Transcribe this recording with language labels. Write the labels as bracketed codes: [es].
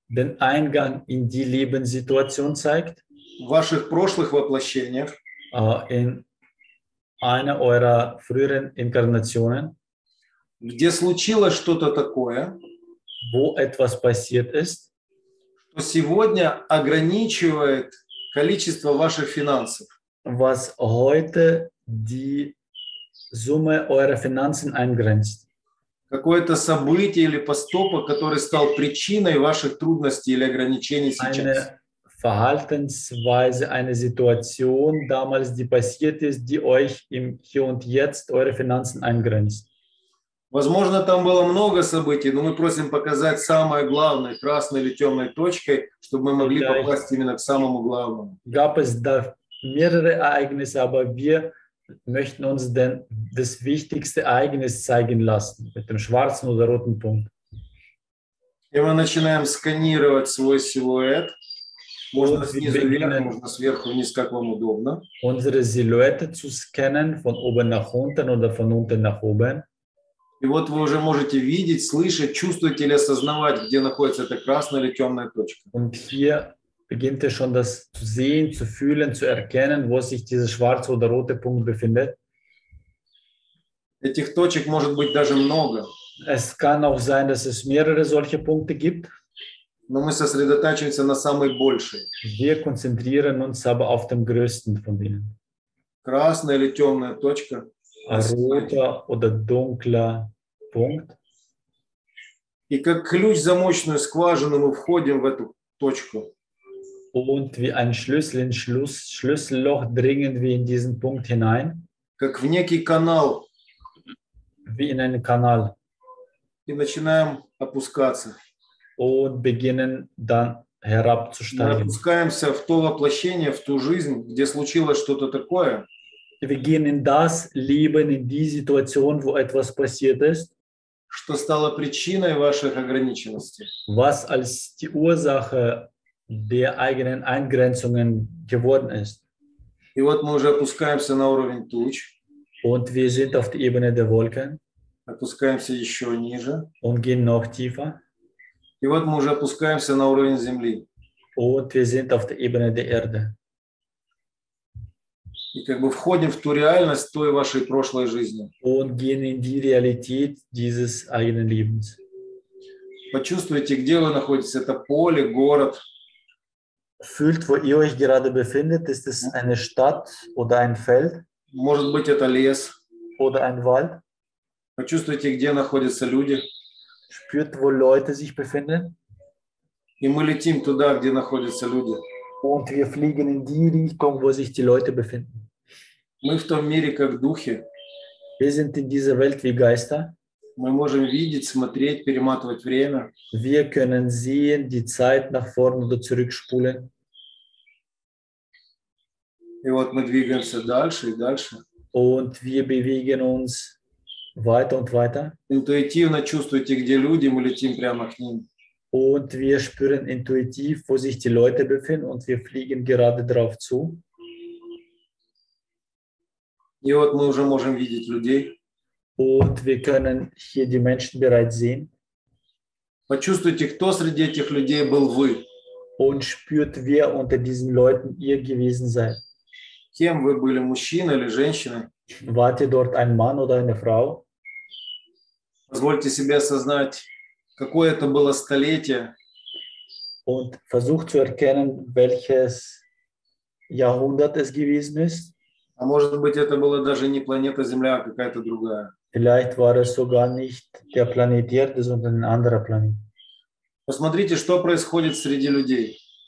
[de] den Eingang in die Lebenssituation zeigt, [ru] в ваших прошлых воплощениях, [de] in einer eurer früheren Inkarnationen, [ru] где случилось что-то такое, [de] wo etwas passiert ist, [ru] что сегодня ограничивает количество ваших финансов, [de] was heute die Summe eurer Finanzen eingrenzt. [ru] Какое-то событие или поступок, который стал причиной ваших трудностей или ограничений сейчас. [de] Eine Verhaltensweise, eine Situation damals, die passiert ist, die euch im Hier und Jetzt eure Finanzen eingrenzt. [ru] Возможно, там было много событий, но мы просим показать самое главное, красной или темной точкой, чтобы мы могли попасть именно к самому главному. [de] Gab es da mehrere Ereignisse, aber wir möchten uns denn das wichtigste Ereignis zeigen lassen, mit dem schwarzen oder roten Punkt. [ru] И мы начинаем сканировать свой силуэт. Можно снизу вверх, можно сверху вниз, как вам удобно. [de] Unsere Silhouette zu scannen, von oben nach unten oder von unten nach oben. [ru] И вот вы уже можете видеть, слышать, чувствовать или осознавать, где находится эта красная или темная точка. [de] Und hier beginnt ihr schon das zu sehen, zu fühlen, zu erkennen, wo sich dieser schwarze oder rote Punkt befindet. [ru] Этих точек может быть даже много. [de] Es kann auch sein, dass es mehrere solche Punkte gibt. [ru] Но мы сосредотачиваемся на самой большей. [de] Wir konzentrieren uns aber auf dem größten von denen. [ru] Красная или темная точка. [de] Roter oder dunkler Punkt. [ru] И как ключ в замочную скважину мы входим в эту точку. [de] Und wie ein Schlüssel in Schlüsselloch dringen wir in diesen Punkt hinein. [ru] Как в некий канал. [de] Wie in einen Kanal. [ru] И начинаем опускаться. [de] Und beginnen dann herabzusteigen. [ru] Мы опускаемся в то воплощение, в ту жизнь, где случилось что-то такое. [de] Wir gehen in das Leben, in die Situation, wo etwas passiert ist. [ru] Что стало причиной ваших ограниченностей. [de] Was als die Ursache der eigenen Eingrenzungen geworden ist. [ru] И вот мы уже опускаемся на уровень туч. [de] Und wir sind auf der Ebene der Wolken. [ru] Опускаемся еще ниже. [de] Und gehen noch tiefer. [ru] И вот мы уже опускаемся на уровень земли. [de] Und wir sind auf der Ebene der Erde. [ru] И как бы входим в ту реальность той вашей прошлой жизни. [de] Und gehen in die Realität dieses eigenen Lebens. [ru] Почувствуйте, где вы находитесь. Это поле, город. [de] Fühlt, wo ihr euch gerade befindet, ist es eine Stadt oder ein Feld? [ru] Может быть, это лес. [de] Oder ein Wald? [ru] Почувствуйте, где находятся люди. [de] Spürt, wo Leute sich befinden. [ru] И мы летим туда, где находятся люди. [de] Und wir fliegen in die Richtung, wo sich die Leute befinden. [ru] Мы в том мире, как духи. [de] Wir sind in dieser Welt wie Geister. [ru] Мы можем видеть, смотреть, перематывать время. [de] Wir können sehen, die Zeit nach vorne oder zurückspulen. [ru] И вот мы двигаемся дальше и дальше. [de] Und wir bewegen uns weiter und weiter. [ru] Интуитивно чувствуете, где люди, мы летим прямо к ним. [de] Und wir spüren intuitiv, wo sich die Leute befinden und wir fliegen gerade drauf zu. [ru] И вот мы уже можем видеть людей. [de] Und wir können hier die Menschen bereits sehen. [ru] Почувствуйте, кто среди этих людей был вы. [de] Und spürt, wer unter diesen Leuten ihr gewesen seid. [ru] Кем вы были, мужчина или женщина? [de] Wart ihr dort ein Mann oder eine Frau? [ru] Позвольте себе осознать, какое это было столетие. [de] Und versucht zu erkennen, welches Jahrhundert es gewesen ist. [ru] А может быть, это была даже не планета Земля, а какая-то другая. [de] Vielleicht war es sogar nicht der Planet Erde, sondern ein anderer Planet. [ru] Посмотрите, что происходит среди людей.